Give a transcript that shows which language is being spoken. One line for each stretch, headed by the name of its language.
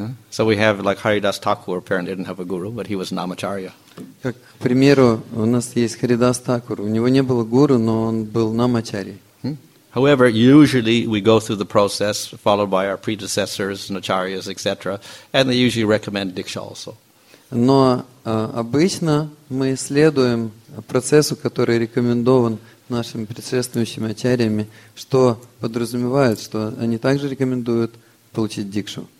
English: So we have like Haridas Thakur, apparently didn't have a guru, but he was Namacharya.
Russian: Как, к примеру, у нас есть Харидас Такур. У него не было гуру, но он был намачари.
English: However, usually we go through the process followed by our predecessors, acharyas, etc., and they usually recommend diksha also.
Russian: Но обычно мы следуем процессу, который рекомендован нашими предшествующими ачарьями, что подразумевает, что они также рекомендуют получить дикшу.